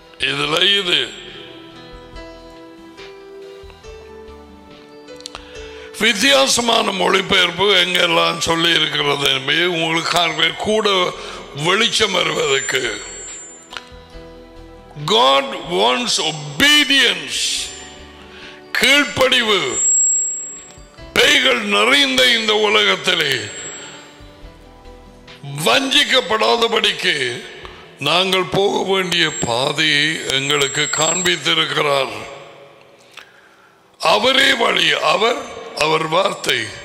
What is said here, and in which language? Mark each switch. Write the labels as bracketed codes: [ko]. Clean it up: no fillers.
[ta] இதுல இது வித்தியாசமான மொழிபெயர்ப்பு எங்கெல்லாம் சொல்லி இருக்கிறது உங்களுக்கு கூட வெளிச்சம் வருவதற்கு. [en] God wants obedience, [ta] கீழ்ப்படிவு. பேய்கள் நிறைந்த இந்த உலகத்திலே வஞ்சிக்கப்படாதபடிக்கு நாங்கள் போக வேண்டிய பாதையை எங்களுக்கு காண்பித்திருக்கிறார். அவரே வழி, அவர், அவர் வார்த்தை.